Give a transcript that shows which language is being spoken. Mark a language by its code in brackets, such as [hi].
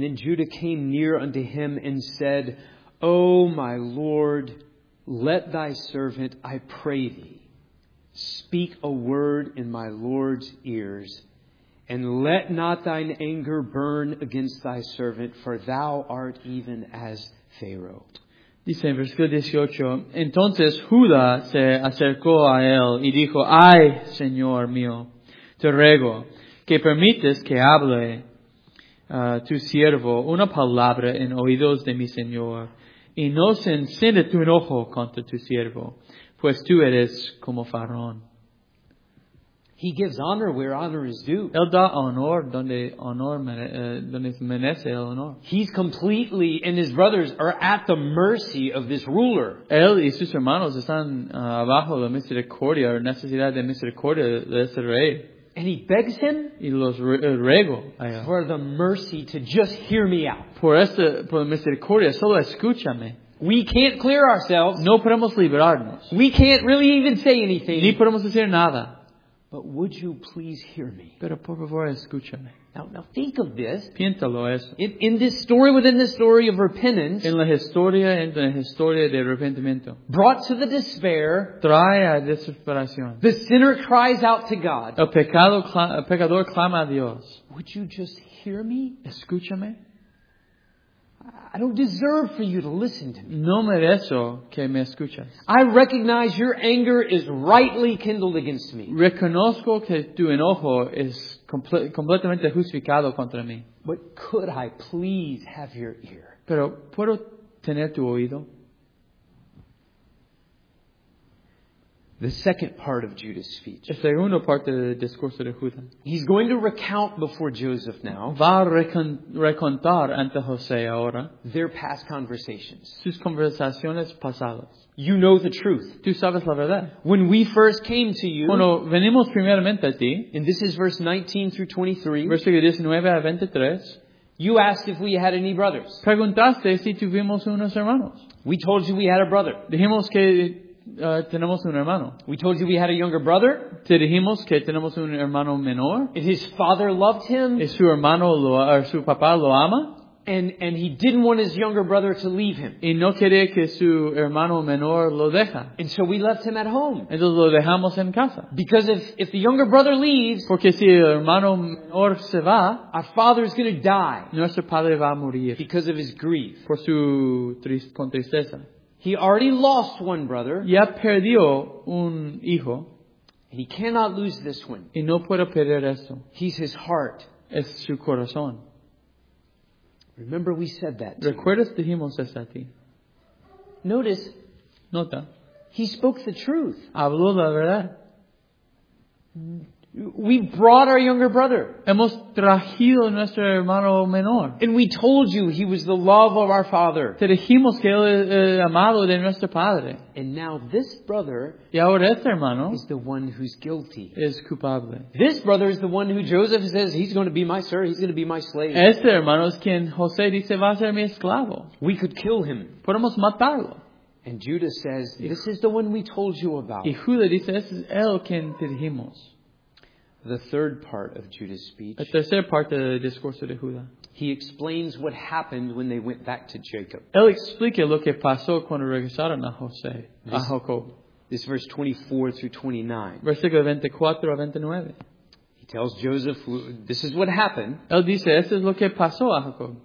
[en] Then Judah came near unto him and said, O my Lord, let thy servant, I pray thee, speak a word in my Lord's ears, and let not thine anger burn against thy servant, for thou art even as Pharaoh. [es] Dice en versículo 18, entonces Judá se acercó a él y dijo, ay, Señor mío, te ruego que permites que hable tu siervo una palabra en oídos de mi Señor y no se encienda tu enojo contra tu siervo, pues tú eres como Faraón. [en] He gives honor where honor is due. [es] Él da honor donde honor donde merece el honor. [en] He's completely, and his brothers are at the mercy of this ruler. [es] Él y sus hermanos están abajo de misericordia, o necesidad de misericordia de ese rey. [en] And he begs him [es] y los ruego [en] for the mercy to just hear me out. [es] Por misericordia, solo escúchame. [en] We can't clear ourselves. [es] No podemos liberarnos. [en] We can't really even say anything. [es] Ni podemos decir nada. [en] But would you please hear me? [es] Pero por favor, escúchame. [en] Now think of this. [es] Piéntalo eso. [en] In this story, within the story of repentance. [es] En la historia, entre la historia de arrepentimiento. [en] Brought to the despair. [es] Trae a desesperación. [en] The sinner cries out to God. [es] El pecador clama a Dios. [en] Would you just hear me? [es] Escúchame. [en] I don't deserve for you to listen to me. [es] No merezco que me escuches. [en] I recognize your anger is rightly kindled against me. [es] Reconozco que tu enojo es completamente justificado contra mí. [en] But could I please have your ear? [es] Pero puedo tener tu oído. [en] the second part of Judas' speech. [es] El segundo parte del discurso de Judas. [en] He's going to recount before Joseph now. [es] Va a recontar ante José ahora. [en] Their past conversations. [es] Sus conversaciones pasadas. [en] You know the truth. [es] Tú sabes la verdad. [en] When we first came to you. [es] Cuando venimos primeramente a ti. [en] And this is verse 19 through 23. [es] Versículo 19 a 23. [en] You asked if we had any brothers. [es] Preguntaste si tuvimos unos hermanos. [en] We told you we had a brother. [es] Dijimos que tenemos un hermano. [en] We told you we had a younger brother. [es] Te dijimos que tenemos un hermano menor. [en] And his father loved him. [es] Y su hermano lo, or su papá lo ama. [en] And he didn't want his younger brother to leave him. [es] Y no quería que su hermano menor lo deja. [en] And so we left him at home. [es] Entonces lo dejamos en casa. [en] Because if the younger brother leaves, [es] porque si el hermano menor se va, [en] our father is going to die. [es] Nuestro padre va a morir. [en] Because of his grief. [es] Por su tristeza. [en] He already lost one brother. [es] Ya perdió un hijo. [en] And he cannot lose this one. [es] Y no puede perder eso. [en] He's his heart. [es] Es su corazón. [en] Remember we said that. [es] ¿Recuerdas que dijimos eso a ti? [en] Notice. [es] Nota. [en] He spoke the truth. [es] Habló la verdad. [en] We brought our younger brother. [es] Hemos traído nuestro hermano menor. [en] And we told you he was the love of our father. [es] Te dijimos que él es el amado de nuestro padre. [en] And now this brother, [es] y ahora este hermano, [en] is the one who's guilty. [es] Es culpable. [en] This brother is the one who Joseph says he's going to be my sir. He's going to be my slave. [es] Este hermano es quien José dice va a ser mi esclavo. [en] We could kill him. [es] Podemos matarlo. [en] And Judas says this is the one we told you about. [es] Y Judas dice ese es él quien te dijimos. [en] The third part of Judas' speech. [es] La tercera parte del discurso de Judá. [en] He explains what happened when they went back to Jacob. [es] Él explica lo que pasó cuando regresaron a José, a Jacob. [en] This verse 24 through 29. [es] Versículo 24 a 29. [en] He tells Joseph, this is what happened. [es] Él dice, esto es lo que pasó a Jacob.